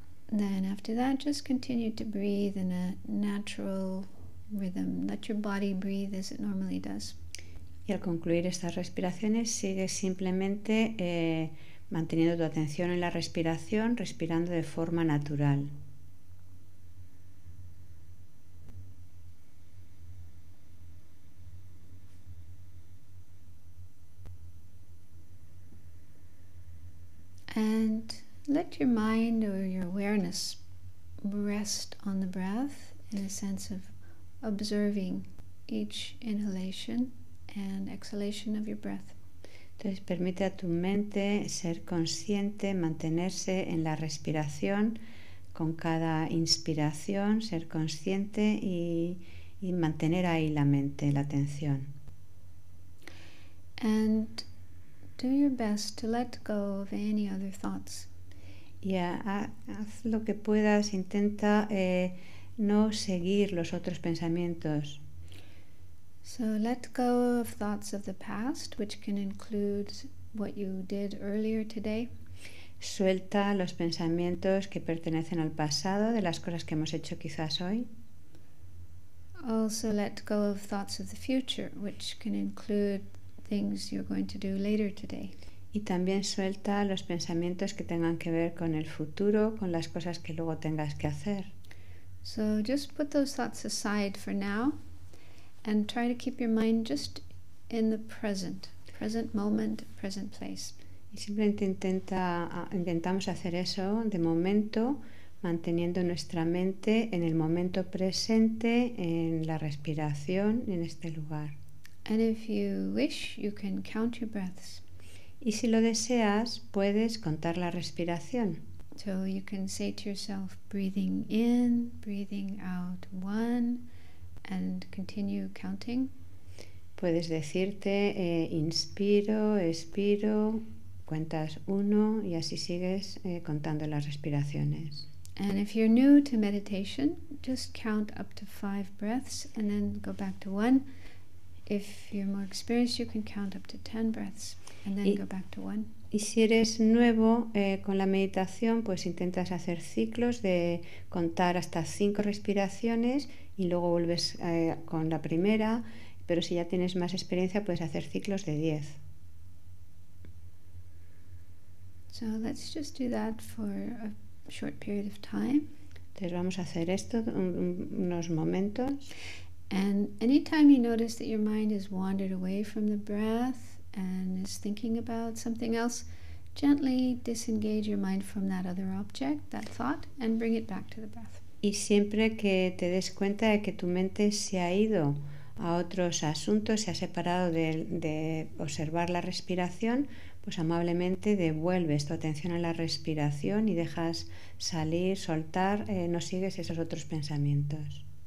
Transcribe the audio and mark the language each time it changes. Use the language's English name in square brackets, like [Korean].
[English] Then after that, just continue to breathe in a natural rhythm. Let your body breathe as it normally does. [Spanish] Y al concluir estas respiraciones, sigue simplemente manteniendo tu atención en la respiración, respirando de forma natural. [English] And Let your mind or your awareness rest on the breath in a sense of observing each inhalation and exhalation of your breath. [Spanish] Entonces permite a tu mente ser consciente, mantenerse en la respiración con cada inspiración, ser consciente y mantener ahí la mente, la atención. [English] And do your best to let go of any other thoughts. [Spanish] Haz lo que puedas, intenta no seguir los otros pensamientos. [English] So let go of thoughts of the past, which can include what you did earlier today. [Spanish] Suelta los pensamientos que pertenecen al pasado, de las cosas que hemos hecho quizás hoy. [English] Also let go of thoughts of the future, which can include things you're going to do later today. [Spanish] Y también suelta los pensamientos que tengan que ver con el futuro, con las cosas que luego tengas que hacer. [English] So just put those thoughts aside for now and try to keep your mind just in the present, present moment, present place. [Spanish] Y simplemente intentamos hacer eso de momento, manteniendo nuestra mente en el momento presente, en la respiración, en este lugar. [English] And if you wish, you can count your breaths. [Spanish] Y si lo deseas, puedes contar la respiración. [English] So you can say to yourself, breathing in, breathing out, one, and continue counting. [Spanish] Puedes decirte, inspiro, expiro, cuentas uno, y así sigues contando las respiraciones. [English] And if you're new to meditation, just count up to 5 breaths and then go back to 1. If you're more experienced, you can count up to 10 breaths and then go back to 1. [Spanish] Y si eres nuevo con la meditación, pues intentas hacer ciclos de contar hasta 5 respiraciones y luego vuelves con la primera, pero si ya tienes más experiencia, puedes hacer ciclos de 10. [English] So let's just do that for a short period of time. [Spanish] Entonces vamos a hacer esto unos momentos. [English] And anytime you notice that your mind has wandered away from the breath and is thinking about something else, gently disengage your mind from that other object, that thought, and bring it back to the breath. [Spanish] Y siempre que te des cuenta de que tu mente se ha ido a otros asuntos, se ha separado de observar la respiración, pues amablemente devuelves tu atención a la respiración y dejas salir, soltar, no sigues esos otros pensamientos.